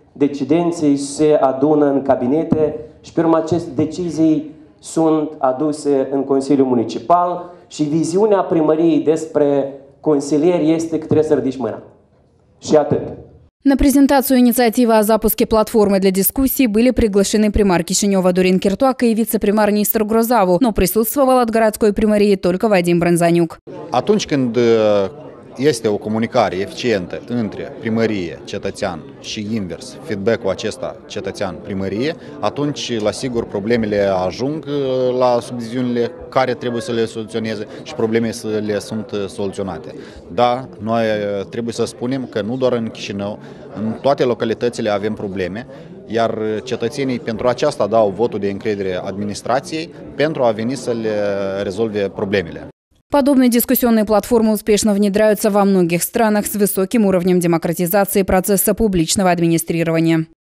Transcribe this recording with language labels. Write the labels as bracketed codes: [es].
[ro] Decidenții se adună în cabinete și pe urmă aceste decizii sunt aduse în Consiliul Municipal și viziunea primăriei despre consilieri este că trebuie să ridici mâna. Și atât. [ru] На презентацию инициативы о запуске платформы для дискуссии были приглашены примар Кишинева Дурин Киртуак и вице-примар Нистор Грозаву, но присутствовал от городской примарии только Вадим Бронзанюк. [ro] Atunci când este o comunicare eficientă între primărie, cetățean și invers, feedback-ul acesta cetățean-primărie, atunci, la sigur, problemele ajung la subdiviziunile care trebuie să le soluționeze și problemele sunt soluționate. Da, noi trebuie să spunem că nu doar în Chișinău, în toate localitățile avem probleme, iar cetățenii pentru aceasta dau votul de încredere administrației pentru a veni să le rezolve problemele. [ru] Подобные дискуссионные платформы успешно внедряются во многих странах с высоким уровнем демократизации процесса публичного администрирования.